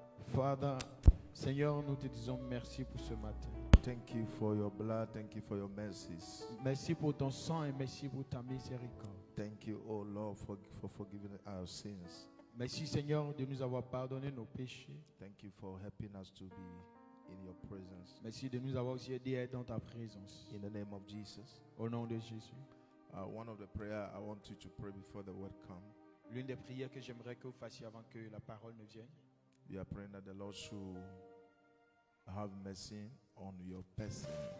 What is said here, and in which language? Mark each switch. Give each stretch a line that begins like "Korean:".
French: Father, Seigneur, nous te disons merci pour ce matin.
English: Thank you for your blood, thank you for your mercies.
French: Merci pour ton sang et merci pour ta miséricorde.
English: Thank you, oh Lord, for forgiving our sins.
French: Merci, Seigneur, de nous avoir pardonné nos péchés.
English: Thank you for helping us to be in your presence.
French: Merci de nous avoir aussi aidé à être dans ta présence.
English: In the name of Jesus.
French: Au nom de Jésus.
English: One of the prayers I want you to pray before the word comes.
French: L'une des prières que j'aimerais que vous fassiez avant que la parole ne vienne.
English: We are praying that the Lord should have mercy on your person.